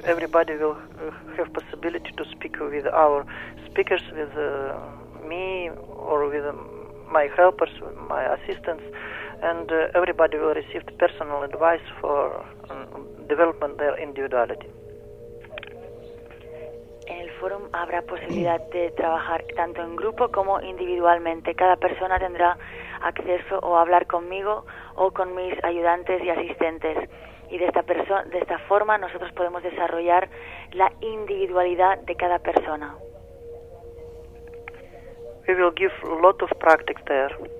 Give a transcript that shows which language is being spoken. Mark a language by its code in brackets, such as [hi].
[en] Everybody will have possibility to speak with our speakers, with me or with my helpers, with my assistants, and everybody will receive personal advice for development their individuality. [es] En el foro habrá posibilidad de trabajar tanto en grupo como individualmente. Cada persona tendrá acceso o hablar conmigo o con mis ayudantes y asistentes. Y de esta forma nosotros podemos desarrollar la individualidad de cada persona. [en] We will give a lot of practice there.